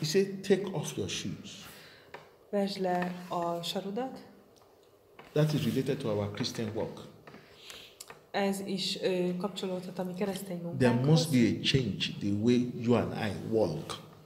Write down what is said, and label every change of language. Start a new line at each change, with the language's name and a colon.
English: He said, take off your shoes.
Hungarian: Vesd le a sarudat.
English: That is related to our Christian work.
Hungarian: ez is kapcsolódhat a mi keresztény munkánkhoz.
English: There must be a change the way you and I walk.